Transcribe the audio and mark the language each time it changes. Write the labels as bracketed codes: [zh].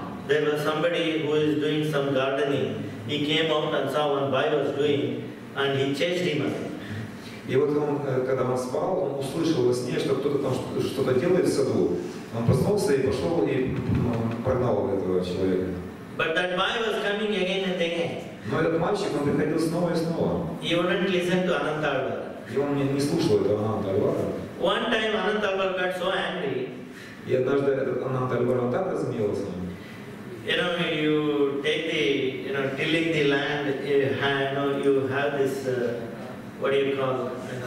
[en] There was somebody who is doing some gardening. He came out and saw one boy was doing, and he chased him away. [ru] И вот он, когда он спал, он услышал во сне, что кто-то там что-то делает в саду. Он проснулся и пошел и прогнал этого человека. [en] But that boy was coming again and again. [ru] Но этот мальчик, он приходил снова и снова. [en] He wouldn't listen to Anantarvara. [ru] И он не слушал этого Анантарвара. [en] One time Anantarvara got so angry. [ru] И однажды этот Анантарвара так разгневался. [en] You know, you take the, you know, tilling the land, you have this. What do you call that?